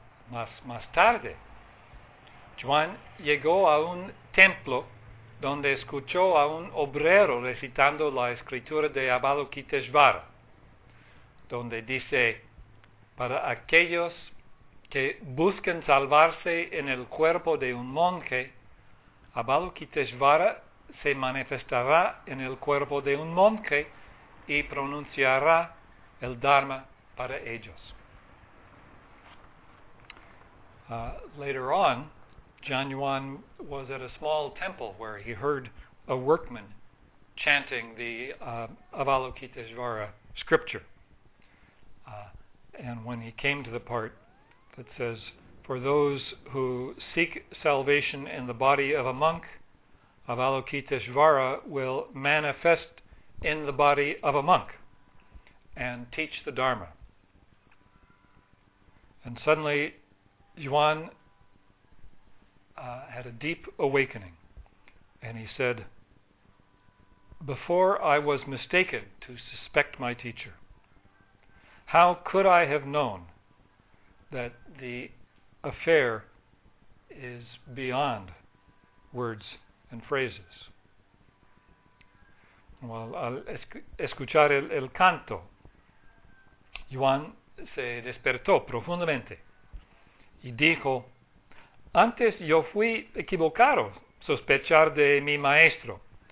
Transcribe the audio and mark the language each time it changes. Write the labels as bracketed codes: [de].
[es] Más tarde, Yuan llegó a un templo donde escuchó a un obrero recitando la escritura de Avalokiteshvara, donde dice, para aquellos que busquen salvarse en el cuerpo de un monje, Avalokiteshvara se manifestará en el cuerpo de un monje y pronunciará el Dharma para ellos. [en] Later on, Jian Yuan was at a small temple where he heard a workman chanting the Avalokiteshvara scripture. And when he came to the part that says, for those who seek salvation in the body of a monk, Avalokiteshvara will manifest in the body of a monk and teach the Dharma. And suddenly, Yuan had a deep awakening, and he said, before I was mistaken to suspect my teacher, how could I have known that the affair is beyond words and phrases? Well, [es] al escuchar el canto, Yuan se despertó profundamente y dijo, antes yo fui equivocado sospechar de mi maestro.